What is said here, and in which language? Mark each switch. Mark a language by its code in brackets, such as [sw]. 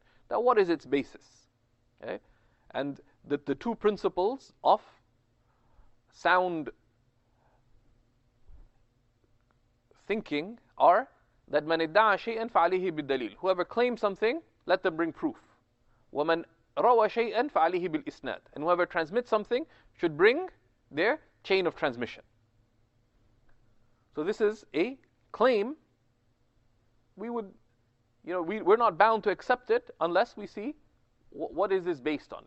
[en] Now, what is its basis? Okay? And that the two principles of sound thinking are that man [ar] ادعى شيئا فعليه بالدليل. [en] Whoever claims something, let them bring proof. [ar] ومن روى شيئا فعليه بالإسناد. [en] And whoever transmits something should bring their chain of transmission. So this is a claim. We would, we're not bound to accept it unless we see what is this based on.